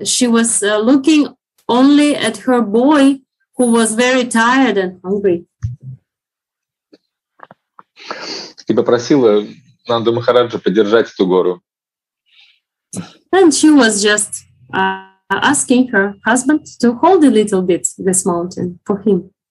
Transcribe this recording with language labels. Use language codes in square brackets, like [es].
[en] She was looking only at her boy, who was very tired and hungry. [ru] И попросила Нанду Махараджа поддержать эту гору. [en] And she was just asking her husband to hold a little bit this mountain for him.